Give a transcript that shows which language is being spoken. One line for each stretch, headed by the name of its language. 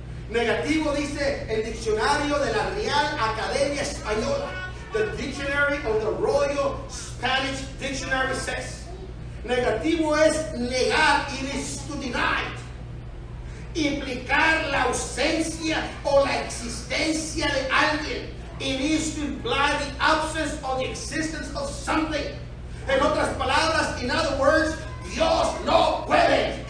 Spanish: Negativo dice el diccionario de la Real Academia Española.
English: The dictionary of the Royal Spanish Dictionary says.
Spanish: Negativo es negar,
English: it is to deny.
Spanish: Implicar la ausencia o la existencia de alguien.
English: It is to imply the absence or the existence of something.
Spanish: En otras palabras,
English: in other words,
Spanish: Dios no puede.